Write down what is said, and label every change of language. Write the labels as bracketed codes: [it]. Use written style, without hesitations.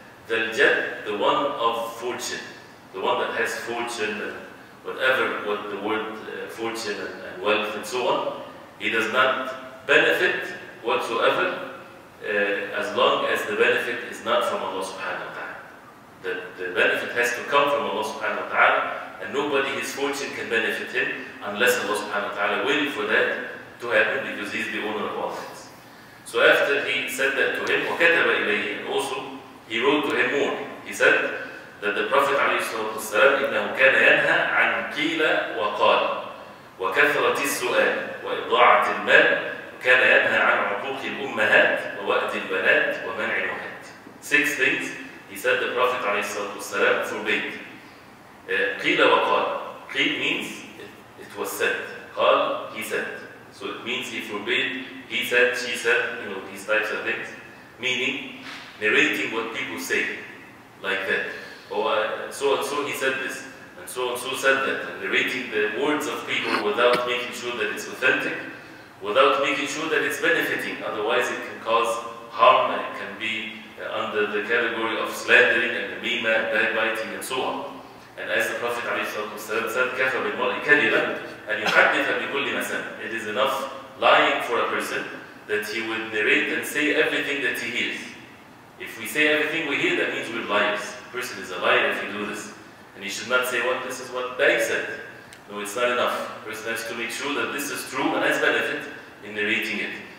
[en] ذَا الْجَدِّ, the one of fortune, the one that has fortune and whatever, what the word fortune and wealth and so on, he does not benefit whatsoever as long as the benefit is not from Allah subhanahu wa ta'ala. The benefit has to come from Allah subhanahu wa ta'ala, and nobody, his fortune can benefit him unless Allah subhanahu wa ta'ala will for that to happen, because he's the owner of all things. So after he said that to him, وَكَتَبَ إِلَيْهِ, and also he wrote to him more. [ar] He said that the Prophet ﷺ, إِنَّهُ كَانَ يَنْهَى عَنْ كِيلَ وَقَالَ وَكَثْرَةِ السُّؤَالِ وَإِضَاعَةِ الْمَالِ وَكَانَ يَنْهَى عَنْ عُقُوقِ الْأُمَّهَاتِ وَوَأْدِ الْبَنَاتِ وَمَنْعِ الْوَهَاتِ. [en] Six things he said the Prophet ﷺ forbade. [ar] قِيلَ وَقَالَ. [en] قِيلَ means it was said. قَال, he said. So it means he forbade, he said, she said, you know, these types of things. Meaning, narrating what people say, like that. Oh, so and so he said this, and so said that. And narrating the words of people without making sure that it's authentic, without making sure that it's benefiting. Otherwise it can cause harm, and it can be under the category of slandering and namima and backbiting and so on. [ar] And as the Prophet ﷺ said, كَفَ بِالْمَرْءِ كَذِبًا أَنْ يُحَدِّثَ بِكُلِّ مَسَنٍ. [en] It is enough lying for a person that he would narrate and say everything that he hears. If we say everything we hear, that means we're liars. A person is a liar if you do this. And he should not say, well, this is what they said. No, it's not enough. A person has to make sure that this is true and has benefit in narrating it.